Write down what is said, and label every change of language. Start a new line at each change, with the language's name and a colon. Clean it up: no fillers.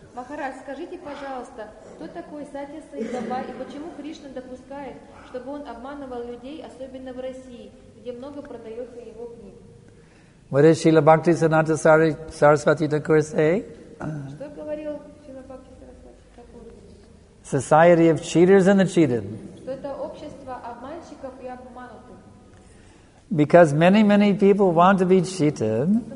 Russian: Махарадж, скажите, пожалуйста, кто такой Сатья Саи Баба и почему Кришна допускает, чтобы он обманывал людей, особенно в России, где много продается его книг?
English: What is Srila Bhakti Sanatha Saraswati Thakur say?
Russian: Что говорил Srila Bhakti Saraswati Thakur?
English: Society of cheaters and the cheated.
Russian: Что это общество обманщиков и обманутых?
English: Because many, many people want to be cheated.